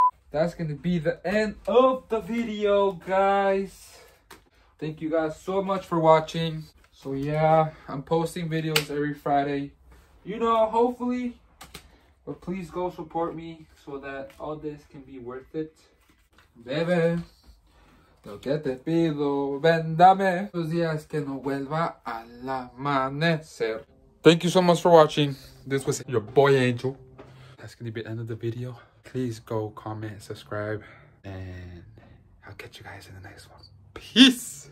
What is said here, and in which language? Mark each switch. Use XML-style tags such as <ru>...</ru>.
<en>That's gonna be the end of the video, guys. Thank you guys so much for watching. So yeah, I'm posting videos every Friday. You know, hopefully, but please go support me so that all this can be worth it.</en> <es>Bebe, lo que te pido, vendame los días que no vuelva al amanecer.</es> <en>Thank you so much for watching. This was your boy Angel. That's gonna be the end of the video. Please go comment, subscribe, and I'll catch you guys in the next one. Peace!</en>